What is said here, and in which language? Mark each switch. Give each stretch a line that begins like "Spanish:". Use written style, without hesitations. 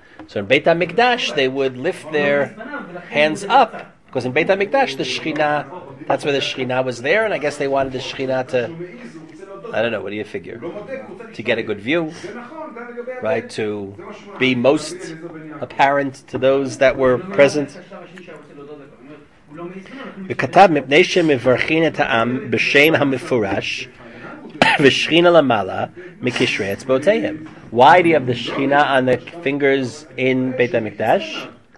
English: So in Beit HaMikdash they would lift their hands up, because in Beit HaMikdash the Shechina, that's where the Shechina was there, and I guess they wanted the Shechina to, I don't know, what do you figure? To get a good view, right? To be most apparent to those that were present.
Hebrew: וכתב מפני שמברכין את העם בשם המפורש ושכינה למעלה מקשרי אצבעותיהם.
English: Why do you have the Shechina on the fingers in Beit HaMikdash?